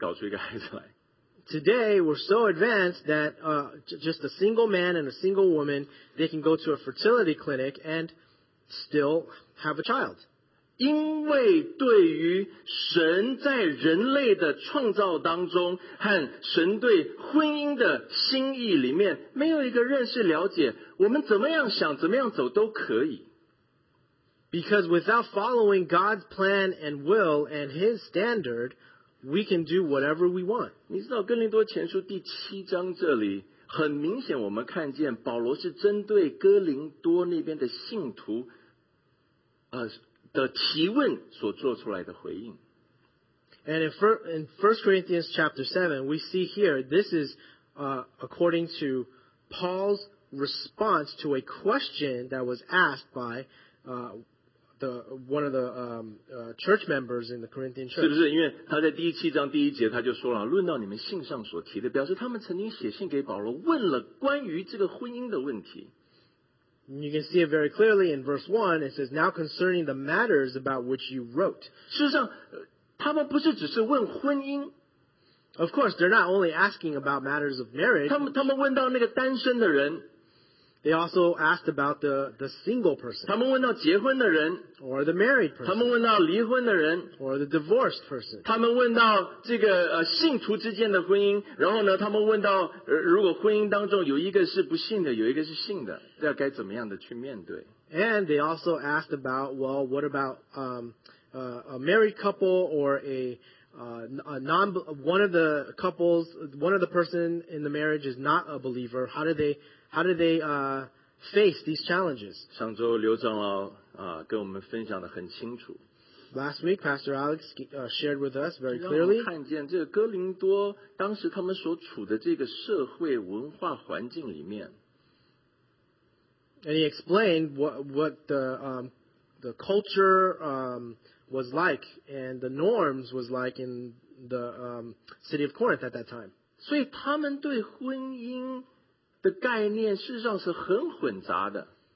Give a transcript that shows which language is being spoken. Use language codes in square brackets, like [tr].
[zh] 今天科技发达到一个地步，已经非常的这个离谱的，连你是一个单身的男人，你是一个单身的女人，你去这个生育诊所中心里面，你可以搞出一个孩子来。 [en] Today we're so advanced that just a single man and a single woman they can go to a fertility clinic and still have a child. [zh] 因为对于神在人类的创造当中和神对婚姻的心意里面没有一个认识了解，我们怎么样想怎么样走都可以。 [en] Because without following God's plan and will and His standard, we can do whatever we want. [zh] 你知道哥林多前书第七章这里，很明显我们看见保罗是针对哥林多那边的信徒的提问所做出来的回应。 [en] And in 1 Corinthians chapter 7, we see here, this is according to Paul's response to a question that was asked by church members in the Corinthian church. [zh] 是不是？因为他在第一七章第一节他就说了，论到你们信上所提的，表示他们曾经写信给保罗，问了关于这个婚姻的问题。 [en] You can see it very clearly in verse 1. It says, now concerning the matters about which you wrote. [zh] 事实上，他们不是只是问婚姻。 [en] Of course, they're not only asking about matters of marriage. [zh] 他们问到那个单身的人。 [en] They also asked about the single person. [zh] 他们问到结婚的人, [en] or the married person. [zh] 他们问到离婚的人, [en] or the divorced person. [zh] 他们问到这个, 信徒之间的婚姻, 然后呢, 他们问到, 如果婚姻当中有一个是不信的, 有一个是信的, 要该怎么样的去面对? [en] And they also asked about, well, what about a married couple or one of the persons in the marriage is not a believer. How do they face these challenges? [zh] 上周刘长老跟我们分享的很清楚。 [en] Last week, Pastor Alex shared with us very clearly. [zh] 让我们看见这个哥林多当时他们所处的这个社会文化环境里面。 [en] And he explained what the culture was like and the norms was like in the city of Corinth at that time. [zh] 所以他们对婚姻 的概念事实上是很混杂的。